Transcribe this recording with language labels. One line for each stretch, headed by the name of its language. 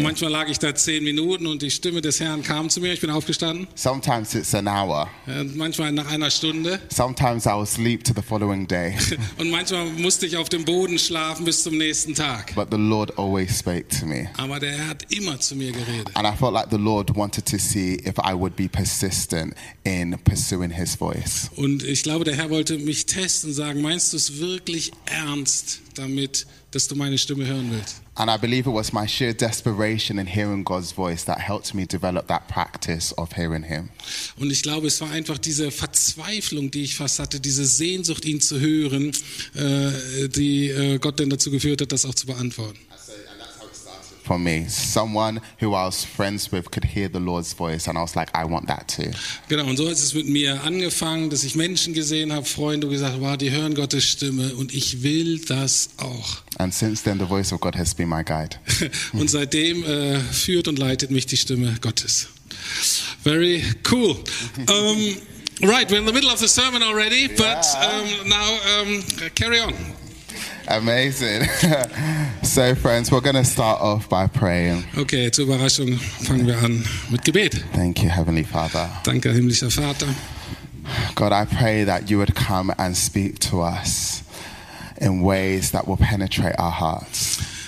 German: Manchmal lag ich da 10 Minuten und die Stimme des Herrn kam zu mir, ich bin aufgestanden.
English: Sometimes it's an hour.
German: Und manchmal nach einer Stunde.
English: Sometimes I will sleep to the following day.
German: Und manchmal musste ich auf dem Boden schlafen bis zum nächsten Tag.
English: But the Lord always spoke to me.
German: Aber der Herr hat immer zu mir geredet.
English: And I felt like the Lord wanted to see if I would be persistent in pursuing his voice.
German: Und ich glaube, der Herr wollte mich testen, sagen, meinst du es wirklich ernst damit, dass du meine Stimme hören willst?
English: And I believe it was my sheer desperation in hearing God's voice that helped me develop that practice of hearing him.
German: Und ich glaube, es war einfach diese Verzweiflung, die ich fast hatte, diese Sehnsucht, ihn zu hören, die Gott denn dazu geführt hat, das auch zu beantworten.
English: For me, someone who I was friends with could hear the Lord's voice, and I was like, I want that too.
German: Genau, und so hat es mit mir angefangen, dass ich Menschen gesehen habe, Freunde, und gesagt, wow, die hören Gottes Stimme, und ich will das auch.
English: And since then, the voice of God has been my guide.
German: Und seitdem führt und leitet mich die Stimme Gottes.
English: Very cool. Right, we're in the middle of the sermon already, yeah. But now carry on. Amazing. So friends, we're going to start off by praying.
German: Okay, zur Überraschung fangen wir an mit Gebet.
English: Thank you, Heavenly Father.
German: Danke, himmlischer Vater.
English: God, I pray that you would come and speak to us in ways that will penetrate our hearts.